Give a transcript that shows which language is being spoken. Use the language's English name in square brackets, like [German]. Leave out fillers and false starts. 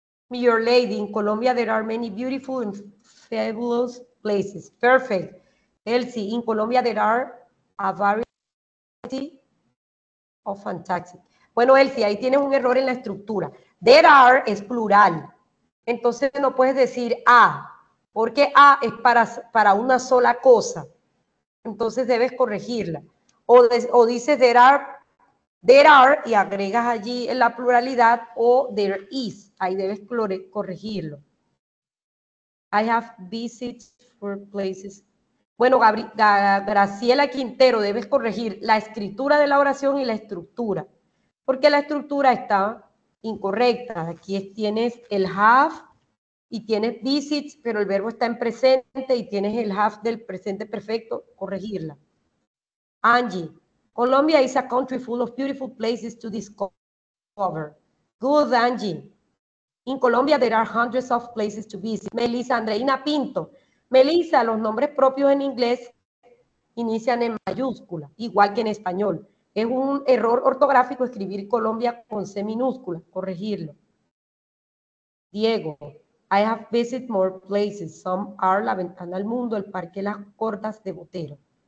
[English] Your lady, in Colombia, there are many beautiful and fabulous places. Perfect. Elsie, in Colombia, there are a variety of fantastic. [Spanish] Bueno, Elsie, ahí tienes un error en la estructura. There are es plural. Entonces no puedes decir a, porque a es para una sola cosa. Entonces debes corregirla. O dices there are y agregas allí la pluralidad, o there is. Ahí debes corregirlo. [English] I have visits for places. [Spanish] Bueno, Graciela Quintero, debes corregir la escritura de la oración y la estructura. Porque la estructura está incorrecta. Aquí tienes el have y tienes visits, pero el verbo está en presente y tienes el have del presente perfecto, corregirla. [English] Angie, Colombia is a country full of beautiful places to discover. Good, Angie. In Colombia there are hundreds of places to visit. Melissa Andreina Pinto. [Spanish] Melissa, los nombres propios en inglés inician en mayúscula, igual que en español. Es un error ortográfico escribir Colombia con C minúscula, corregirlo. [English] Diego, I have visited more places. Some are La Ventana al Mundo, el Parque Las Cortas de Botero.